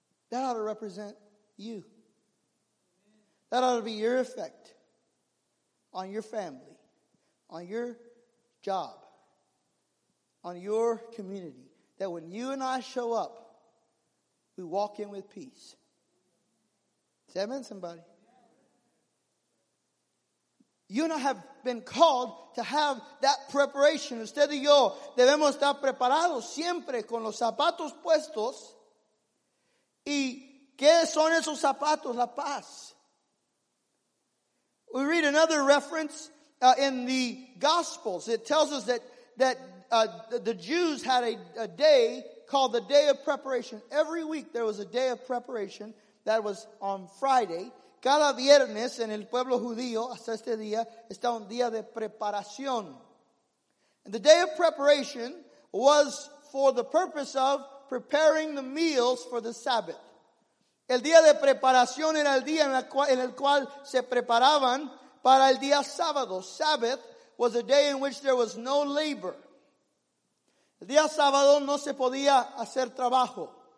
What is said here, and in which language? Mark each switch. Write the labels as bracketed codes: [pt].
[en] That ought to represent you. That ought to be your effect on your family, on your job, on your community. That when you and I show up, we walk in with peace. Does that mean somebody? You and I have been called to have that preparation. [es] Usted y yo debemos estar preparados siempre con los zapatos puestos. ¿Y qué son esos zapatos? La paz. [en] We read another reference in the Gospels. It tells us that the Jews had a day called the Day of Preparation. Every week there was a day of preparation that was on Friday. [es] Cada viernes en el pueblo judío, hasta este día, está un día de preparación. [en] And the Day of Preparation was for the purpose of preparing the meals for the Sabbath. [es] El día de preparación era el día en el cual se preparaban para el día sábado. [en] Sabbath was a day in which there was no labor. [es] El día sábado no se podía hacer trabajo.